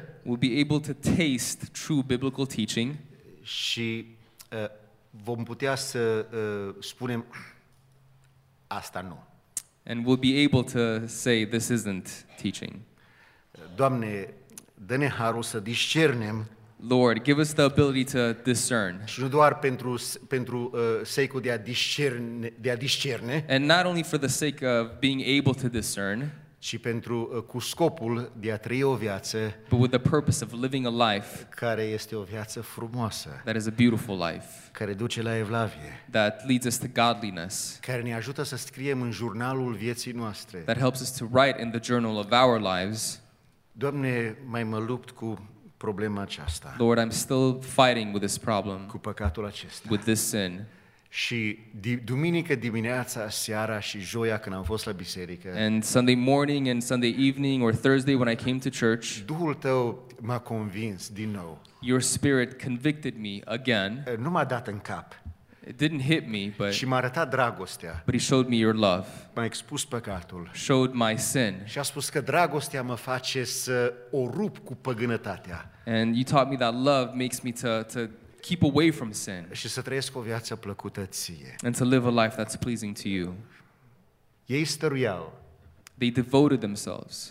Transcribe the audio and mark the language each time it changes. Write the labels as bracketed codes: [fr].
[en] We'll be able to taste true biblical teaching. [ro] Și vom putea să spunem asta nu. [en] And we'll be able to say this isn't teaching. [ro] Doamne, dă-ne harul să discernem. [en] Lord, give us the ability to discern. [ro] Și nu doar pentru sake-ul de a discerne. [en] And not only for the sake of being able to discern, [ro] ci pentru cu scopul de a trăi o viață, [en] but with the purpose of living a life, [ro] care este o viață frumoasă, [en] that is a beautiful life, [ro] care duce la evlavie, [en] that leads us to godliness, [ro] care ne ajută să scriem în jurnalul vieții noastre, [en] that helps us to write in the journal of our lives. [ro] Doamne, mai mă lupt cu problema aceasta. [en] Lord, I'm still fighting with this problem, [ro] cu păcatul acesta, [en] with this sin. [ro] Și duminică dimineața, seara și joia când am fost la biserică. [en] And Sunday morning and Sunday evening or Thursday when I came to church. [ro] Duhul tău m-a convins din nou. [en] Your spirit convicted me again. [ro] Nu m-a dat în cap. [en] It didn't hit me, but. [ro] Și m-a arătat dragostea. [en] But he showed me your love. [ro] M-a expus păcatul. [en] Showed my sin. [ro] Și a spus că dragostea mă face să o rup cu păgânătatea. [en] And you taught me that love makes me to keep away from sin. [ro] Și să trăiesc o viață plăcută ție. [en] And to live a life that's pleasing to you. [ro] Ei stăruiau. [en] They devoted themselves.